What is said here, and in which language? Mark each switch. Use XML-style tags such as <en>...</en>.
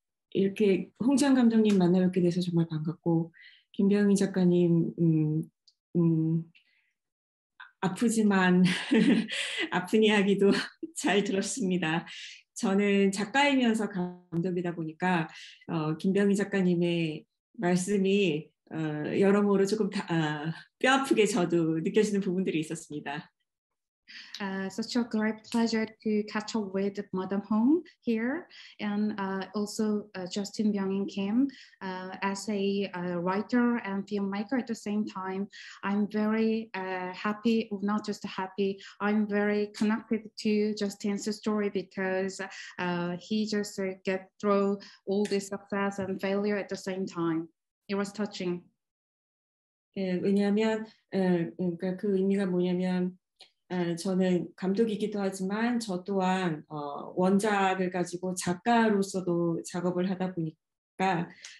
<ko>이렇게 홍지영 감독님 만나 뵙게 돼서 정말 반갑고 김병희 작가님 아프지만 아픈 이야기도 잘 들었습니다. 저는 작가이면서 감독이다 보니까 김병희 작가님의 말씀이 여러모로 조금 뼈 아프게 저도 느껴지는 부분들이 있었습니다.</ko> <en>Such a great pleasure to catch up with Madam Hong here and also Justin Byung-in Kim as a writer and filmmaker at the same time. I'm very happy, not just happy, I'm very connected to Justin's story because he just get through all this success and failure at the same time. It was touching.</en> <ko>예, 왜냐하면 그러니까 그 의미가 뭐냐면 저는 감독이기도 하지만 저 또한 원작을 가지고 작가로서도 작업을 하다 보니까</ko>